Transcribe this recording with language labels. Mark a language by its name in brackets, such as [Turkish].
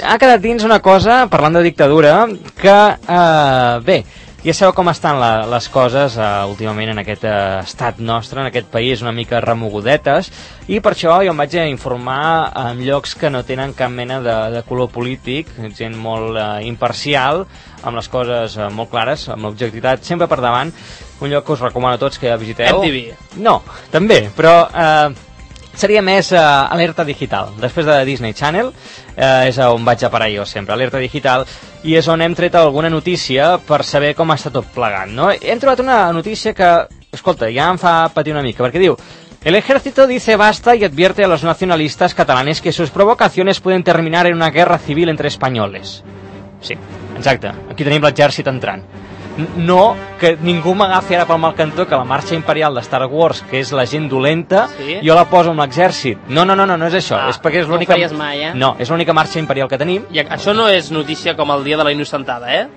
[Catalan] Ha quedat dins una cosa, parlant de dictadura, que, bé, ja sabeu com estan les coses últimament en aquest estat nostre, en aquest país, una mica remogudetes, i per això jo em vaig a informar en llocs que no tenen cap mena de color polític, gent molt imparcial, amb les coses molt clares, amb l'objectivitat sempre per davant. Un lloc que us recomano a tots que ja visiteu. MTV. No, també, però seria més Alerta Digital. Després de Disney Channel, és on vaig a parar jo sempre, Alerta Digital, i és on hem tret alguna notícia per saber com està tot plegant, no? Hem trobat una notícia que, escolta, ja em fa patir una mica, perquè diu: [Spanish] el ejército dice basta y advierte a los nacionalistas catalanes que sus provocaciones pueden terminar en una guerra civil entre españoles. [Catalan] Sí, exacte, aquí tenim l'exèrcit entrant. No que ningú m'agafi ara pel mal cantó que la marxa imperial de Star Wars, que és la gent dolenta, sí, jo la poso amb l'exèrcit. No és això. Ah, és perquè és l'única... No ho faries mai, eh? No, és l'única marxa imperial que tenim. I això no és notícia com el dia de la innocentada, eh?